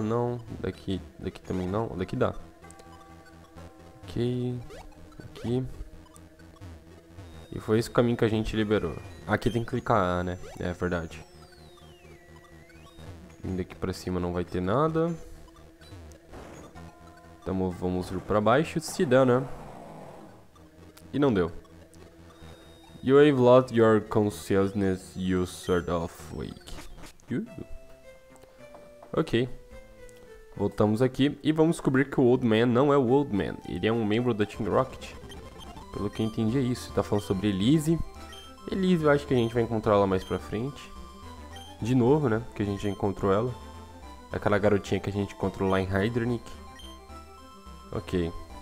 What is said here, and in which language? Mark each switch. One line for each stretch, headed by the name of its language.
Portuguese: Não. Daqui também não. Daqui dá. Ok, aqui. E foi esse caminho que a gente liberou. Aqui tem que clicar A, né? É verdade. Indo aqui pra cima não vai ter nada. Então vamos vir pra baixo. Se der, né? E não deu.
English: You have lost your consciousness, you sort of wake. Ok.
Portuguese: Voltamos aqui e vamos descobrir que o Old Man não é o Old Man. Ele é um membro da Team Rocket. Pelo que eu entendi é isso. Tá falando sobre Elise. Elise eu acho que a gente vai encontrar ela mais pra frente. De novo, né? Que a gente já encontrou ela. Aquela garotinha que a gente encontrou lá em Hydernik. Ok.